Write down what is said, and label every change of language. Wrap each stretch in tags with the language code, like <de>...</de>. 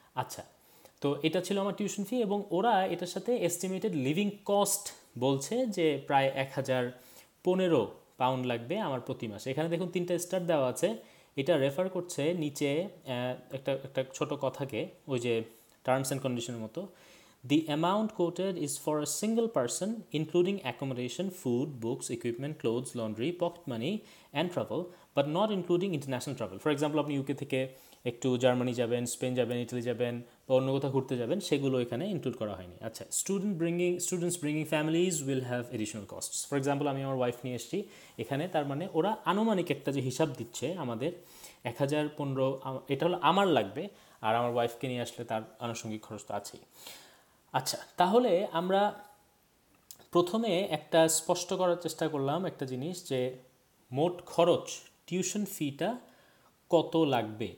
<bn>আচ্ছা, তো এটা ছিল আমার টিউশন ফি, এবং ওরা এটার সাথে এস্টিমেটেড লিভিং কস্ট বলছে যে প্রায় 1,015 পাউন্ড লাগবে আমার প্রতি মাসে। এখানে দেখুন 3টা স্টার দেওয়া আছে, এটা রেফার করছে নিচে একটা একটা ছোট কথাকে, ওই যে টার্মস অ্যান্ড কন্ডিশনের মতো,</bn> <en>The amount quoted is for a single person, including accommodation, food, books, equipment, clothes, laundry, pocket money, and travel, but not including international travel. For example,</en> <bn>আপনি ইউকে থেকে একটু জার্মানি যাবেন, স্পেন যাবেন, Italy যাবেন, বা অন্য কোথাও ঘুরতে যাবেন, সেগুলো এখানে ইনক্লুড করা হয়নি। আচ্ছা,</bn> <en>students bringing families will have additional costs. For example,</en> <bn>আমি আমার ওয়াইফ নিয়ে এসেছি এখানে, তার মানে ওরা আনুমানিক একটা যে হিসাব দিচ্ছে আমাদের 1015, এটা হলো আমার লাগবে, আর আমার ওয়াইফকে নিয়ে আসলে তার আনুষঙ্গিক খরচ তো আছেই। আচ্ছা, তাহলে আমরা প্রথমে একটা স্পষ্ট করার চেষ্টা করলাম একটা জিনিস, যে মোট খরচ, টিউশন ফিটা কত লাগবে।</bn>